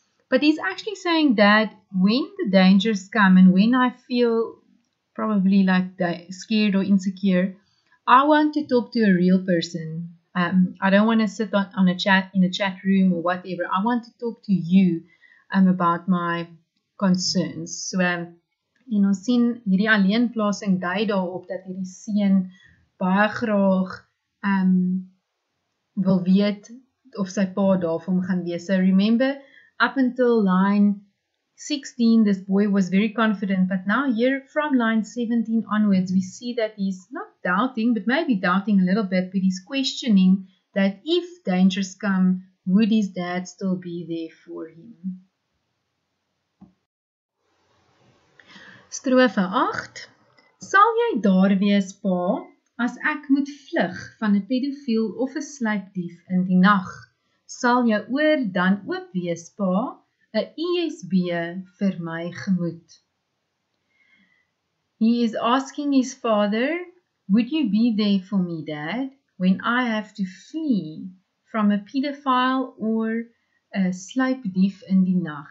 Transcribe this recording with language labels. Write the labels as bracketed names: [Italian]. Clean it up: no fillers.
[English] But he's actually saying that when the dangers come and when I feel probably like scared or insecure, I want to talk to a real person. I don't want to sit on a chat in a chat room or whatever. I want to talk to you about my concerns. [Afrikaans] So, jy nou sien hierdie alleenplasing dui daarop dat hierdie seun baie graag wil weet of sy pa daar vir hom gaan wees. [English] So remember, up until line 16, this boy was very confident, but now here from line 17 onwards, we see that he's not doubting, but maybe doubting a little bit, but he's questioning that if dangers come, would his dad still be there for him? [Afrikaans] Strofe 8. Sal jy daar wees, pa, as ek moet vlug van 'n pedofiel of 'n sluipdief in die nag? Sal jou oor dan oop wees, pa, 'n USB vir my gemoed? [English] He is asking his father, would you be there for me, dad, when I have to flee from a pedophile or a [Afrikaans] sluipdief in die nag?